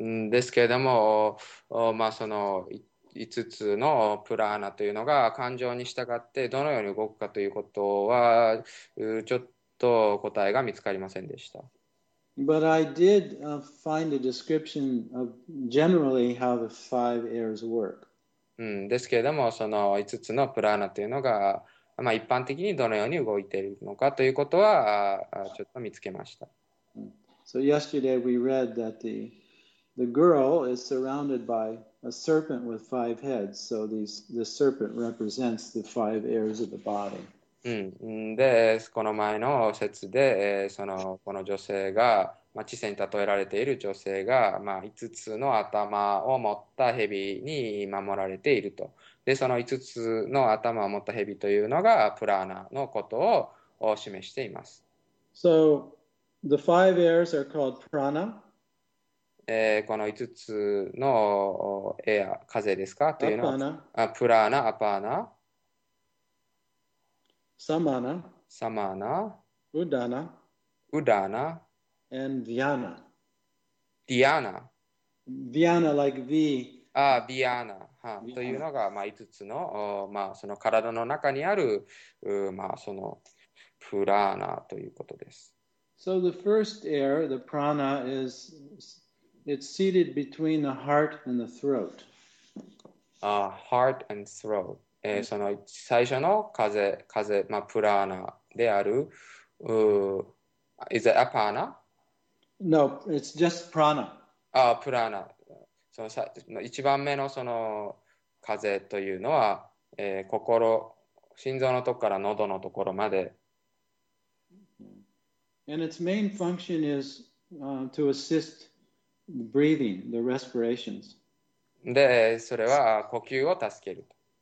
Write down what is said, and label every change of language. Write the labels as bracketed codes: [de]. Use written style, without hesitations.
[ja] ですけれども、その5つのプラーナというのが感情に従ってどのように動くかということはちょっと答えが見つかりませんでした。 [en] But I did find a description of generally how the five airs work. [ja] ですけれども、その5つのプラーナというのが、一般的にどのように動いているのかということはちょっと見つけました。 [en] So yesterday we read that the girl is surrounded by a serpent with five heads. So the serpent represents the five airs of the body. [ja] で、この前の説で、その、この女性が、知性に例えられている女性が、5つの頭を持った蛇に守られていると。で、その5つの頭を持った蛇というのが、プラーナのことを示しています。 [en] So the five airs are called prana. [ja] この5つのエア、風ですかというのはプラーナ、アパーナ、サマーナ、サマーナ、ウダーナ、ウダーナ、 [en] and [ja] ディアナ。ディアナ。 [en] ディアナ、like V。 [ja] ディアナ。というのが、5つの、その体の中にある、そのプラーナということです。 [en] So the first air, the prana, is... It's seated between the heart and the throat. Heart and throat. [ja] その最初の風、プラーナである、 [en] is it apana? No, it's just prana. [ja] プラーナ。その一番目のその風というのは、心、心臓のとこから喉のところまで。 [en] And its main function is, to assist. Breathing, the respirations. [ja] で、それは呼吸を助けると。